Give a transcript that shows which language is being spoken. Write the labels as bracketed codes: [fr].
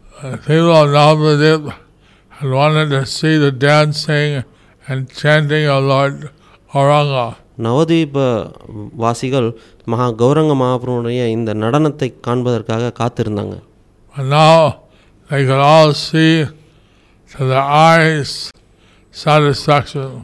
[en] The people of Navadvip had wanted to see the dancing and chanting of Lord Gauranga. [ta] நவதீப வாசிகள் மகா கௌரங்க மகாபிரபுனுடைய இந்த நடனத்தை காண்பதற்காக காத்திருந்தாங்க. [en] Now they could all see to their eyes satisfaction.